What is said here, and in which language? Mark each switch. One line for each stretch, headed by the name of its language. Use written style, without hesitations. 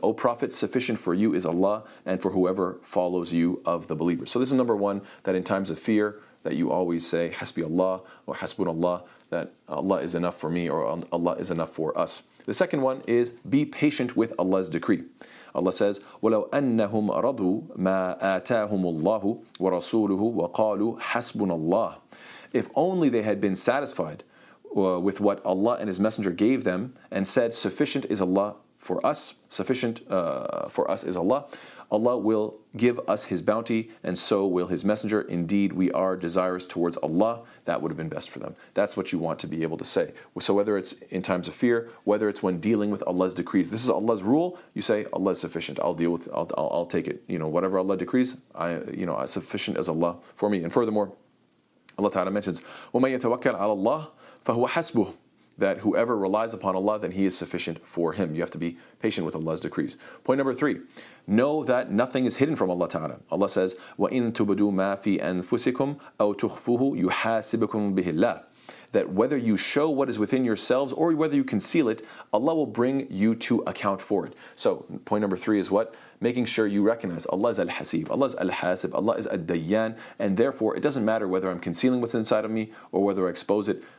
English: O Prophet, sufficient for you is Allah and for whoever follows you of the believers. So this is number one, that in times of fear, that you always say
Arabic: حَسْبِ اللَّهُ
English: or
Arabic: حَسْبُنَ اللَّهُ,
English: that Allah is enough for me or Allah is enough for us. The second one is, be patient with Allah's decree. Allah says,
Arabic: وَلَوْ أَنَّهُمْ رَضُوا مَا آتَاهُمُ اللَّهُ وَرَسُولُهُ وَقَالُوا حَسْبُنَ اللَّهُ.
English: If only they had been satisfied with what Allah and His Messenger gave them and said, sufficient is Allah for us, sufficient for us is Allah, Allah will give us His bounty and so will His Messenger. Indeed, we are desirous towards Allah. That would have been best for them. That's what you want to be able to say. So whether it's in times of fear, whether it's when dealing with Allah's decrees, this is Allah's rule, you say, Allah is sufficient. I'll take it. You know, whatever Allah decrees, sufficient is Allah for me. And furthermore, Allah Ta'ala mentions,
Arabic: وَمَن يَتَوَكَّلْ عَلَى اللَّهِ فَهُوَ حَسْبُهُ.
English: That whoever relies upon Allah, then He is sufficient for him. You have to be patient with Allah's decrees. Point number three, know that nothing is hidden from Allah Ta'ala. Allah says,
Arabic: وَإِن تُبْدُوا مَا فِي أَنفُسِكُمْ أَوْ تُخْفُهُ يُحَاسِبُكُمْ بِهِ اللَّهِ.
English: That whether you show what is within yourselves or whether you conceal it, Allah will bring you to account for it. So point number three is what? Making sure you recognize Allah is Al-Haseeb, Allah is Al-Haseeb, Allah is Al-Dayan, and therefore it doesn't matter whether I'm concealing what's inside of me or whether I expose it.